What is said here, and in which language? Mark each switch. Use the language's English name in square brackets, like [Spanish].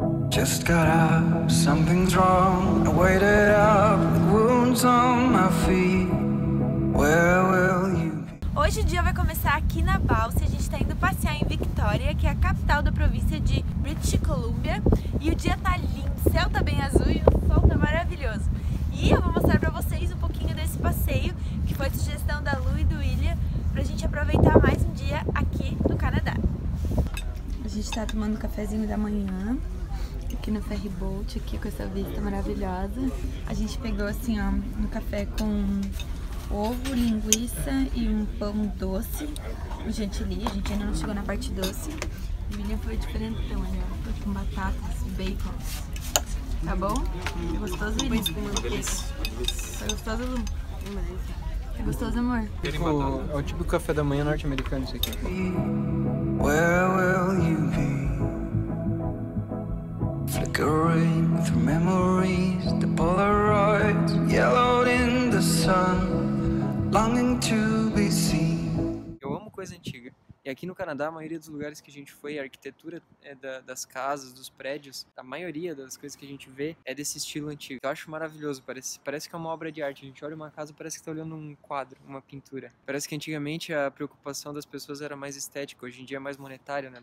[English] Just got up, something's wrong. I waited up, wounds on my feet. Where will you be? [Portuguese] Hoje o dia vai começar aqui na Balsa. A gente tá indo passear em Victoria, que é a capital da província de British Columbia. E o dia tá lindo, o céu tá bem azul e o sol tá maravilhoso. E eu vou mostrar pra vocês um pouquinho desse passeio, que foi sugestão da Lu e do William, pra gente aproveitar mais um dia aqui no Canadá. A gente tá tomando cafezinho da manhã aqui no ferry boat, aqui com essa vista maravilhosa. A gente pegou assim, ó, um café com ovo, linguiça e um pão doce, um chantilly. A gente ainda não chegou na parte doce. O William foi diferentão, ali, ó. Foi com batatas, bacon. Tá bom? Gostoso, William? Tá gostoso, Lu? Tá gostoso, amor? É o tipo de café da manhã norte-americano, isso aqui. [English] Where will you be? Flickering through memories, the Polaroids yellowed in the sun, longing to be seen. [Portuguese] Eu amo coisa antiga. E aqui no Canadá, a maioria dos lugares que a gente foi, a arquitetura das casas, dos prédios, a maioria das coisas que a gente vê é desse estilo antigo. Eu acho maravilhoso, parece que é uma obra de arte. A gente olha uma casa, parece que tá olhando um quadro, uma pintura. Parece que antigamente a preocupação das pessoas era mais estética, hoje em dia é mais monetária, né?